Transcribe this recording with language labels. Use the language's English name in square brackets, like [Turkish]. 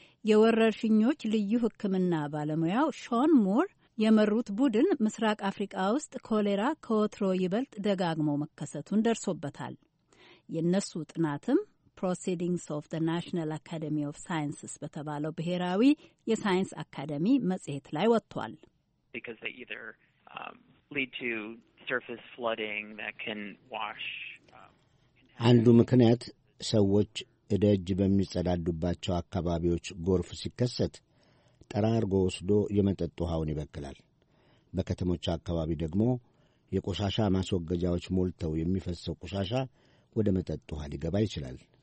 [Amharic] የወረርሽኞች ልዩ ሕክምና ባለሙያው ሾን ሙር የመሩት ቡድን ምስራቅ አፍሪቃ ውስጥ ኮሌራ ከወትሮ ይበልጥ ደጋግሞ መከሰቱን ደርሶበታል። የነሱ ጥናትም Proceedings of the National Academy of Sciences በተባለው ብሔራዊ የሳይንስ አካደሚ መጽሔት ላይ ወጥቷል። [English] Because they either lead to surface flooding that can wash [Amharic] አንዱ ምክንያት ሰዎች እደጅ በሚጸዳዱባቸው አካባቢዎች ጎርፍ ሲከሰት ጠራርጎ ወስዶ የመጠጥ ውሃውን ይበክላል። በከተሞች አካባቢ ደግሞ የቆሻሻ ማስወገጃዎች ሞልተው የሚፈሰው ቆሻሻ ወደ መጠጥ ውሃ ሊገባ ይችላል።